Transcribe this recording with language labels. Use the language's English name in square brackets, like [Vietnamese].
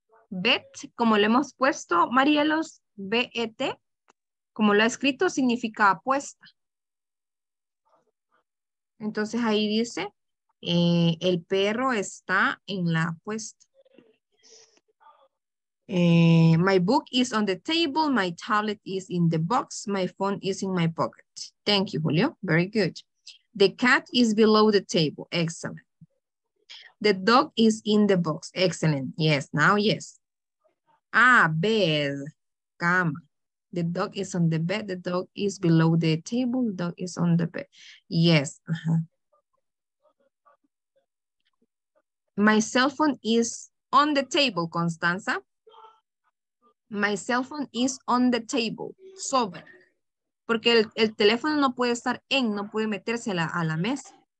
[Spanish] Bet, como lo hemos puesto, Marielos, B-E-T, como lo ha escrito, significa apuesta. Entonces ahí dice, el perro está en la apuesta. [English] My book is on the table, my tablet is in the box, my phone is in my pocket. Thank you, Julio. Very good. The cat is below the table. Excellent. The dog is in the box. Excellent. Yes, now yes. Ah, bed, cama. The dog is on the bed. The dog is below the table. The dog is on the bed. Yes. Uh-huh. My cell phone is on the table, Constanza. My cell phone is on the table. Sobre. [Spanish] Porque el teléfono no puede estar en, no puede meterse a la mesa.